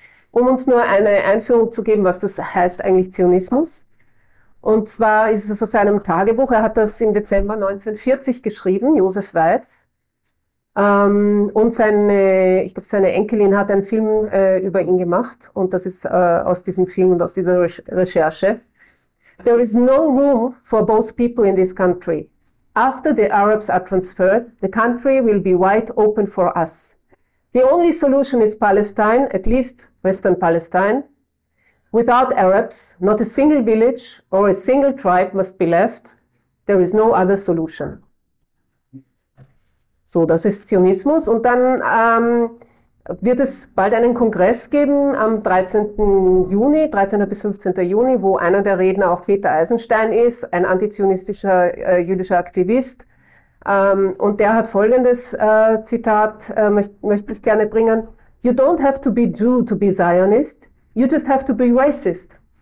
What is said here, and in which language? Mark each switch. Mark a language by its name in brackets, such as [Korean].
[German] Um uns nur eine Einführung zu geben, was das heißt eigentlich Zionismus. Und zwar ist es aus seinem Tagebuch, er hat das im Dezember 1940 geschrieben, Josef Weitz. Und seine Enkelin hat einen Film über ihn gemacht und das ist aus diesem Film und aus dieser Recherche. [English] There is no room for both people in this country. After the Arabs are transferred, the country will be wide open for us. The only solution is Palestine, at least Western Palestine. Without Arabs, not a single village or a single tribe must be left. There is no other solution. [German] So, das ist Zionismus. Und dann wird es bald einen Kongress geben am 13. bis 15. Juni, wo einer der Redner auch Peter Eisenstein ist, ein antizionistischer jüdischer Aktivist. Und der hat folgendes Zitat, möchte ich gerne bringen. [English] You don't have to be Jew to be Zionist. You just have to be racist.